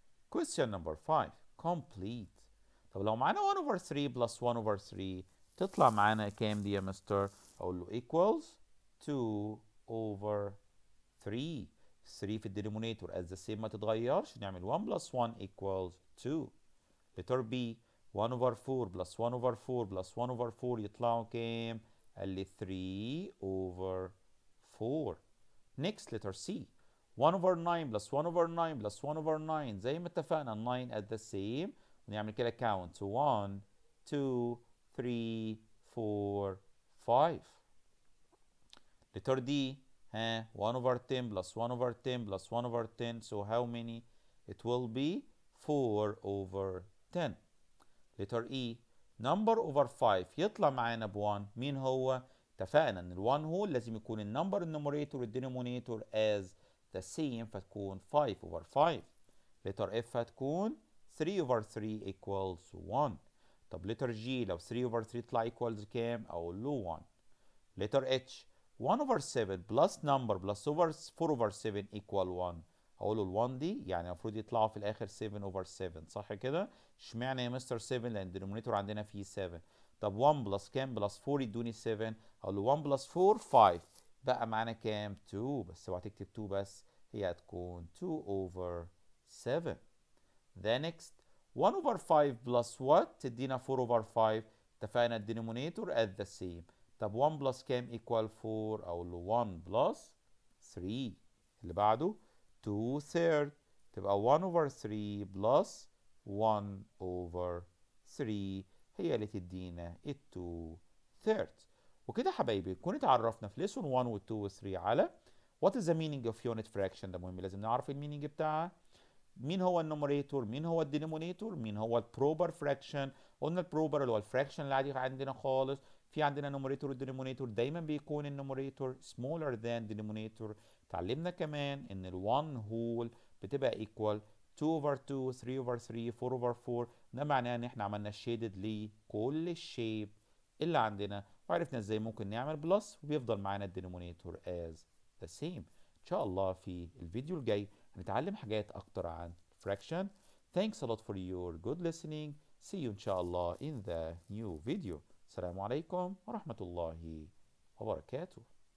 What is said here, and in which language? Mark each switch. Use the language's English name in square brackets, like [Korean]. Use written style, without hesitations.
[English] Question number 5. Complete. [Arabic] طب لو معانا 1 over 3 plus 1 over 3 تطلع معانا كام دي يا مستر؟ اقول له [English] equals 2 over 3. [Arabic] 3 في الديمونيتور [English] as the same [Arabic] ما تتغيرش، نعمل 1 plus 1 equals 2. [English] Letter B. [Arabic] 1 over 4 plus 1 over 4 plus 1 over 4 يطلعوا كام؟ قال لي 3 over 4. [English] Next letter C. [Arabic] 1 over 9 plus 1 over 9 plus 1 over 9 زي ما اتفقنا 9 [English] at the same، [Arabic] ونعمل كده [English] count 1 2 3 4 5. Letter D. 1 over 10 plus 1 over 10 plus 1 over 10 so how many it will be 4 over 10. Letter E. [Arabic] Number over 5 يطلع معانا ب 1، مين هو؟ اتفقنا ان ال 1 هو لازم يكون ال number النوميريتور والدينومينيتور [English] as the same، [Arabic] فتكون 5 over 5. [English] Letter F [Arabic] هتكون [English] 3 over 3 equals 1. [Arabic] طب letter G لو 3 over 3 طلع equals كام؟ اقول له 1. [English] Letter H. 1 over 7 plus number plus over 4 over 7 equal 1. [Arabic] اقول ال 1 دي يعني المفروض يطلعوا في الاخر 7 over 7 صح كده؟ اشمعنى يا مستر 7؟ لان الدينومينيتور عندنا فيه 7. طب 1 بلس كام بلس 4 يدوني 7؟ اقول له 1 بلس 4 5 بقى معانا كام؟ 2. بس اوعى تكتب 2 بس، هي هتكون 2 over 7. ذا نكست 1 over 5 بلس وات تدينا 4 over 5، اتفقنا الدينومينيتور at the same. طب 1 بلس كام equal 4؟ اقول له 1 بلس 3. اللي بعده 2 third تبقى 1 over 3 plus 1 over 3 هي اللي تدينا ال 2 thirds. وكده حبايبي كنا اتعرفنا في lesson 1 و 2 و 3 على [English] what is the meaning of unit fraction. [Arabic] ده مهم لازم نعرف المينينج بتاعها، مين هو النوميريتور، مين هو الدينومينيتور، مين هو البروبر فراكشن. قلنا البروبر اللي هو الفراكشن العادي عندنا خالص، في عندنا نوميريتور ودينومينيتور، دايما بيكون النوميريتور [English] smaller than denominator. [Arabic] تعلمنا كمان ان ال 1 whole بتبقى [English] equal 2 over 2, [Arabic] 3 over 3, 4 over 4، ده معناه ان احنا عملنا shaded لكل الشيب اللي عندنا، وعرفنا ازاي ممكن نعمل بلس وبيفضل معانا الدينومينيتور as the same. ان شاء الله في الفيديو الجاي هنتعلم حاجات اكتر عن fraction. [English] Thanks a lot for your good listening. See you [Arabic] ان شاء الله [English] in the new video. [Arabic] السلام عليكم ورحمة الله وبركاته.